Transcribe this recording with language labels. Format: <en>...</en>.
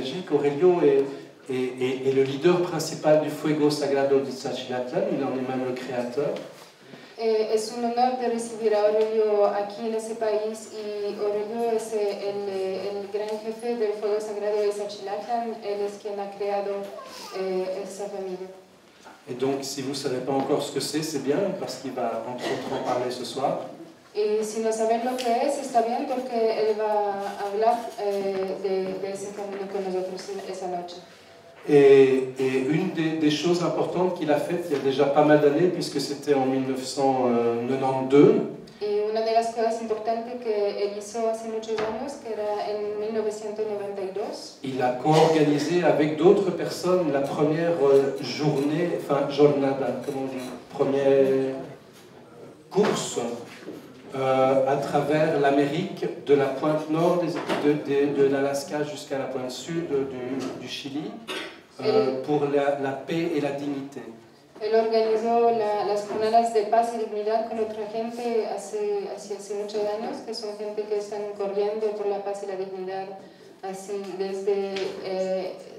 <fr>Aurelio est le leader principal du Fuego Sagrado de Xochitlán, il en est même le créateur.</fr> <es>Es un honor de recibir a Aurelio aquí en ese país y Aurelio es el gran jefe del Fuego Sagrado de Xochitlán, él es quien ha creado esa familia.</es> <fr>Et donc si vous savez pas encore ce que c'est bien parce qu'il va entre autres en parler ce soir.</fr> <es>Y si no saben lo que es, está bien porque él va a hablar de ese camino con nosotros esa noche.</es> <fr>Et une des choses importantes qu'il a faites il y a déjà pas mal d'années, puisque c'était en 1992.</fr> <es>Y una de las cosas importantes que él hizo hace muchos años, que era en 1992.</es> <fr>Il a co-organisé avec d'autres personnes la première journée, enfin jornada, comment on dit, première course. À travers l'Amérique, de la pointe nord de l'Alaska jusqu'à la pointe sud du Chili, pour la paix et la dignité.</fr> <es>Él organizó las jornadas de paz y dignidad con otra gente hace muchos años, que son gente que están corriendo por la paz y la dignidad así desde.</es>